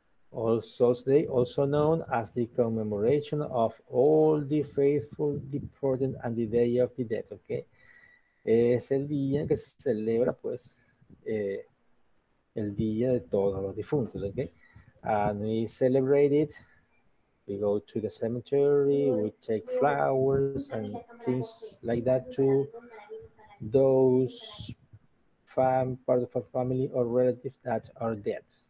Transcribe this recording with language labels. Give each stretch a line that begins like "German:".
English: All Souls Day, also known as the commemoration of all the faithful departed and the day of the dead, ¿ok?
Spanish: Es el día en que se celebra, pues, el día de todos los difuntos, ¿ok?
English: And we celebrate it. We go to the cemetery, we take flowers and things like that to those part of our family or relatives that are dead.